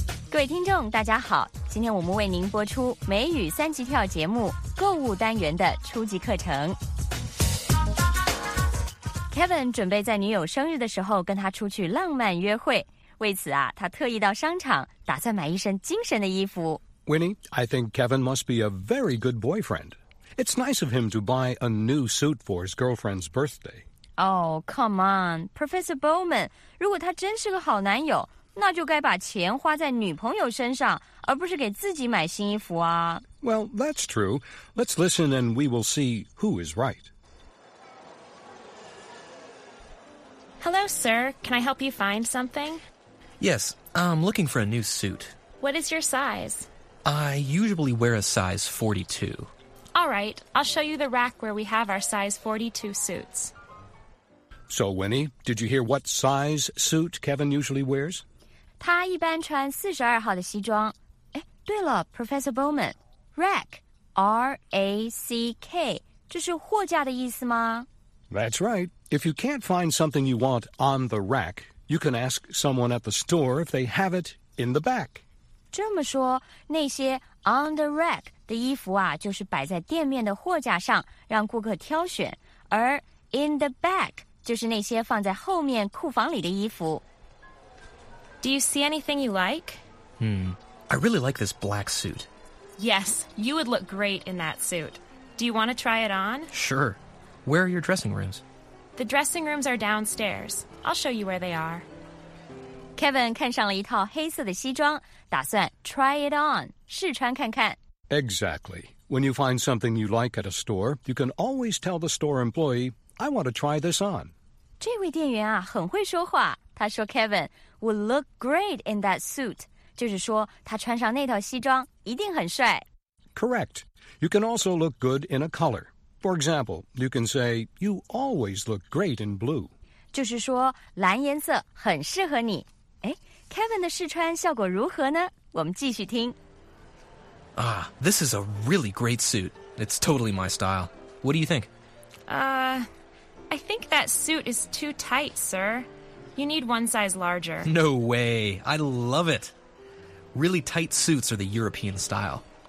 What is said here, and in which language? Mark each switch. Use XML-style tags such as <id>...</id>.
<zh>各位听众大家好，今天我们为您播出美语三级跳节目购物单元的初级课程。 Kevin 准备在女友生日的时候跟她出去浪漫约会，为此啊，他特意到商场打算买一身精神的衣服。</zh> <en>Winnie, I think Kevin must be a very good boyfriend. It's nice of him to buy a new suit for his girlfriend's birthday. Oh, come on,</en> <zh>Professor Bowman, 如果他真是个好男友，那就该把钱花在女朋友身上，而不是给自己买新衣服啊。</zh> <en>Well, that's true. Let's listen and we will see who is right. Hello, sir. Can I help you find something? Yes, I'm looking for a new suit. What is your size? I usually wear a size 42. All right, I'll show you the rack where we have our size 42 suits. So, Winnie, did you hear what size suit Kevin usually wears?</en> <zh>他一般穿42号的西装。哎，对了 ,Professor Bowman, rack, R-A-C-K, 这是货架的意思吗？</zh> <en>That's right. If you can't find something you want on the rack, you can ask someone at the store if they have it in the back.</en> <zh>这么说，那些</zh> <en>on the rack</en> <zh>的衣服啊，就是摆在店面的货架上，让顾客挑选；而</zh> <en>in the back</en> <zh>就是那些放在后面库房里的衣服。</zh> <en>Do you see anything you like? I really like this black suit. Yes, you would look great in that suit. Do you want to try it on? Sure. Where are your dressing rooms? The dressing rooms are downstairs. I'll show you where they are.</en> <zh>Kevin 看上了一套黑色的西装，打算</zh> <en>try it on,</en> <zh>试穿看看。</zh> <en>Exactly. When you find something you like at a store, you can always tell the store employee, I want to try this on.</en> <zh>这位店员啊，很会说话。他说</zh> <en>Kevin would look great in that suit.</en> <zh>就是说他穿上那套西装一定很帅。</zh> <en>Correct. You can also look good in a color. For example, you can say, you always look great in blue.</en> <zh>就是说蓝颜色很适合你。哎 ,Kevin 的试穿效果如何呢？我们继续听。</zh> <en>Ah, this is a really great suit. It's totally my style. What do you think? I think that suit is too tight, sir. You need one size larger. No way. I love it. Really tight suits are the European style.</en>